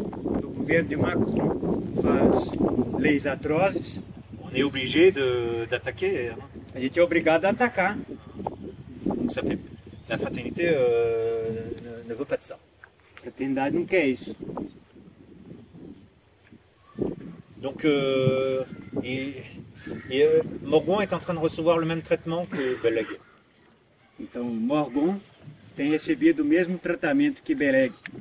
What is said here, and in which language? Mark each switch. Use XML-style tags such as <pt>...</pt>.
<pt>o governo de Macron faz leis atrozes,</pt> <fr>on est obligé d'attaquer.</fr> <pt>A gente é obrigado a atacar.</pt> <fr>Ça fait, la fraternité ne veut pas de ça.</fr> <pt>A fraternidade não quer isso.</pt> <fr>Donc, Et Morgon est en train de recevoir le même traitement que Belleg.</fr> <pt>Então Morgon tem recebido o mesmo tratamento que Belleg.</pt>